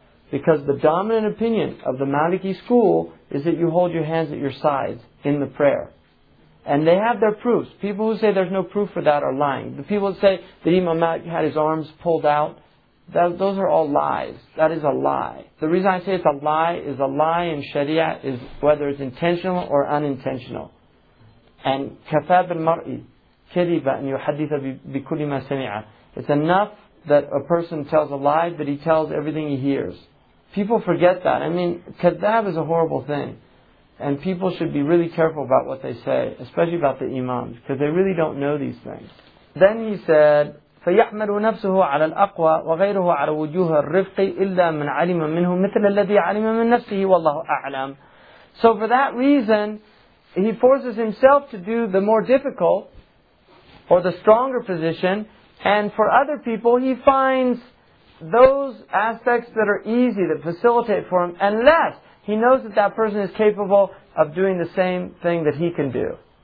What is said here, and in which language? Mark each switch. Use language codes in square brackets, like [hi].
[en] Because the dominant opinion of the Maliki school is that you hold your hands at your sides in the prayer. And they have their proofs. People who say there's no proof for that are lying. The people who say that Imam Malik had his arms pulled out, those are all lies. That is a lie. The reason I say it's a lie is a lie in Sharia is whether it's intentional or unintentional. [ar] And كَفَى بِالْمَرْءِ كَذِبَ أَنْ يُحَدِّثَ بِكُلِّ مَا سَمِعَ. [en] It's enough that a person tells a lie, but he tells everything he hears. People forget that. I mean, kadhab is a horrible thing. And people should be really careful about what they say, especially about the imams, because they really don't know these things. Then he said, [ar] فَيَحْمَلُ نَفْسُهُ عَلَى الْأَقْوَى وَغَيْرُهُ عَلَى وُجُّهَ الرِّفْقِ إِلَّا مَنْ عَلِمَ مِنْهُ مِثْلَ الَّذِي عَلِمَ مِنْ نَفْسِهِ وَاللَّهُ أَعْلَمُ. [en] So for that reason, he forces himself to do the more difficult or the stronger position. And for other people, he finds those aspects that are easy, that facilitate for him, unless he knows that that person is capable of doing the same thing that he can do.